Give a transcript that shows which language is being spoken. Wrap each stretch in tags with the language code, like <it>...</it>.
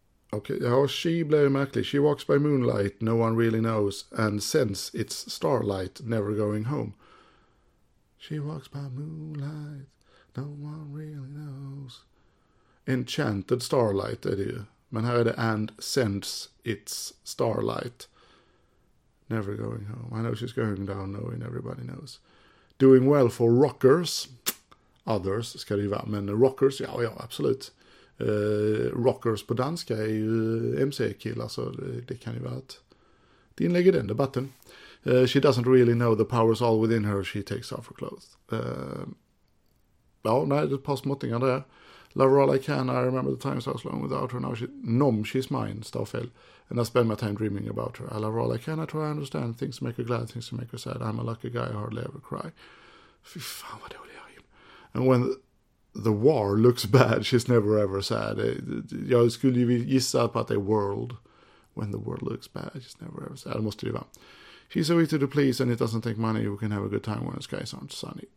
<en>Okej, okay.</en> <sv>Ja, she blev märklig.</sv> <en>She walks by moonlight, no one really knows. And since it's starlight, never going home. She walks by moonlight, no one really knows. Enchanted starlight</en> <sv>är det ju. Men här är det,</sv> <en>and since it's starlight. Never going home. I know she's going down knowing everybody knows. Doing well for rockers. Others</en> <sv>ska det ju vara. Men rockers, ja, ja, absolut. Rockers på danska är ju MC-killar. Så det kan ju vara att de inlägger den debatten.</sv> <en>She doesn't really know the powers all within her. She takes off her clothes.</en> <sv>Ja, nej, det är ett par småttingar där.</sv> <en>Love her all I can. I remember the times I was long without her. Now she, nom, she's mine.</en> <sv>Står fel.</sv> <en>And I spend my time dreaming about her. I love her all I can. I try to understand. Things make her glad. Things make her sad. I'm a lucky guy. I hardly ever cry.</en> <sv>Fy fan vad dålig jag är.</sv> <en>And when the war looks bad, she's never ever sad.</en> <sv>Jag skulle ju gissa på att det är world.</sv> <en>When the world looks bad, I just never ever say, I must driva. She's so easy to please and it doesn't take money. We can have a good time when the skies aren't sunny.</en>